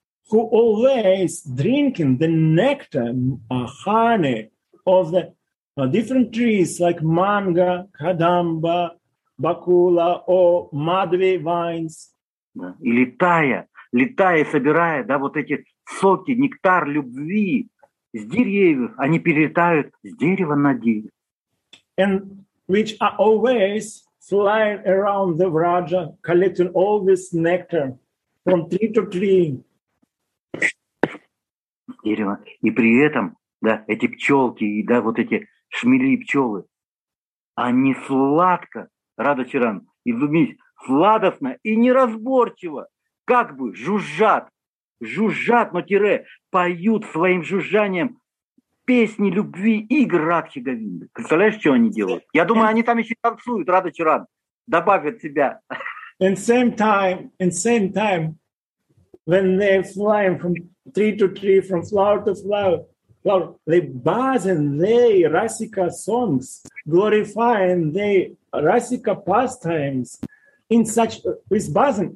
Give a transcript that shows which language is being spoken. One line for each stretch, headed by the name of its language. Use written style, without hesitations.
English: Who always drinking the nectar, honey of the different trees, like manga, kadamba, bakula, or madhvi vines.
Russian: Да. И летая, собирая, да, вот эти соки, нектар любви, с деревьев они перелетают с дерева на дерево.
English: And which are always flying around the Vraja, collecting all this nectar from tree to tree.
Russian: Дерево. И при этом, да, эти пчелки, и да, вот эти шмели и пчелы, они сладко, Радха Чаран, изумись, сладостно и неразборчиво, как бы жужжат жужжат, но тире, поют своим жужжанием песни любви игр Радхи Говинды. Представляешь, что они делают? Я думаю, они там еще танцуют, Рада Чаран, добавят себя.
English: In same time, when they fly from tree to tree, from flower to flower, flower, they buzz and they Rasika songs glorify and they Rasika pastimes in such with buzzing.